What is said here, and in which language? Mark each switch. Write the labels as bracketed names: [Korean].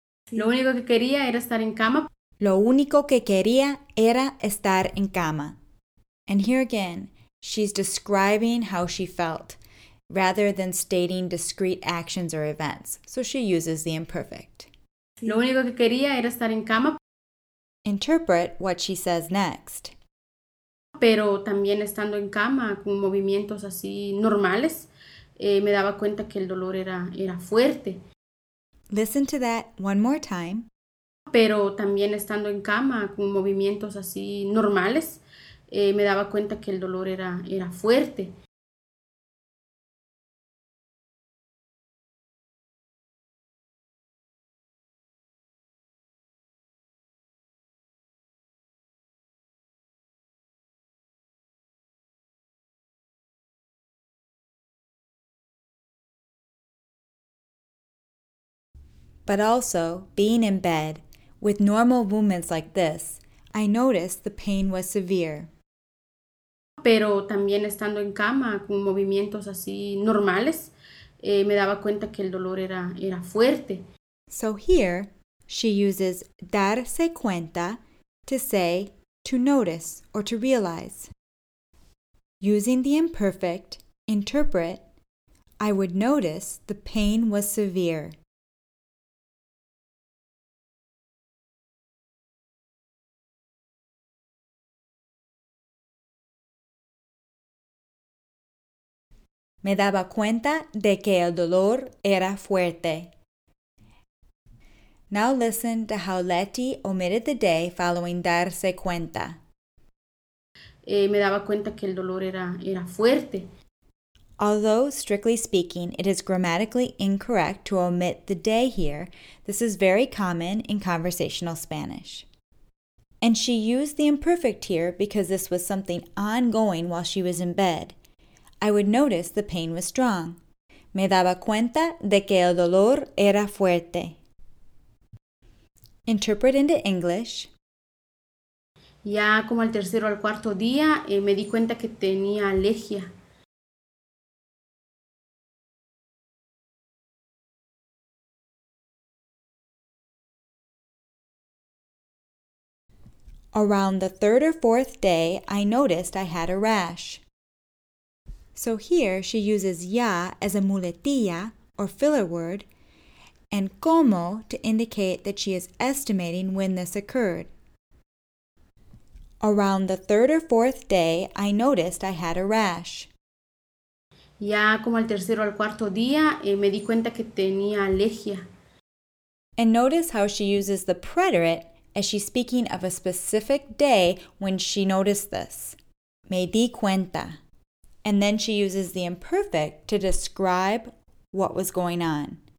[Spanish] Lo único que quería era estar en cama. Lo único que quería era estar en cama. [English] And here again, she's describing how she felt, rather than stating discrete actions or events. So she uses the imperfect. [Spanish] Lo único que quería era estar en cama. [English] Interpret what she says next. [Spanish] Pero también estando en cama, con movimientos así normales, me daba cuenta que el dolor era fuerte. [English] Listen to that one more time. [Spanish] Pero también estando en cama, con movimientos así normales, me daba cuenta que el dolor era fuerte. [English] But also, being in bed, with normal movements like this, I noticed the pain was severe. [Spanish] Pero también estando en cama, con movimientos así normales, me daba cuenta que el dolor era fuerte. [English] So here, she uses [Spanish] darse cuenta [English] to say to notice or to realize. Using the imperfect, interpret, I would notice the pain was severe. [Spanish] Me daba cuenta de que el dolor era fuerte. [English] Now listen to how Leti omitted the day following [Spanish] darse cuenta. Me daba cuenta que el dolor era fuerte. [English] Although, strictly speaking, it is grammatically incorrect to omit the day here, this is very common in conversational Spanish. And she used the imperfect here because this was something ongoing while she was in bed. I would notice the pain was strong. [Spanish] Me daba cuenta de que el dolor era fuerte. [English] Interpret into English. [Spanish] Ya como al tercero o al cuarto día, me di cuenta que tenía alergia. [English] Around the third or fourth day, I noticed I had a rash. So here she uses ya as a muletilla, or filler word, and como to indicate that she is estimating when this occurred. Around the third or fourth day, I noticed I had a rash. [Spanish] Ya como al tercero o al cuarto día, me di cuenta que tenía alergia. [English] And notice how she uses the preterite as she's speaking of a specific day when she noticed this. [Spanish] Me di cuenta. [English] And then she uses the imperfect to describe what was going on.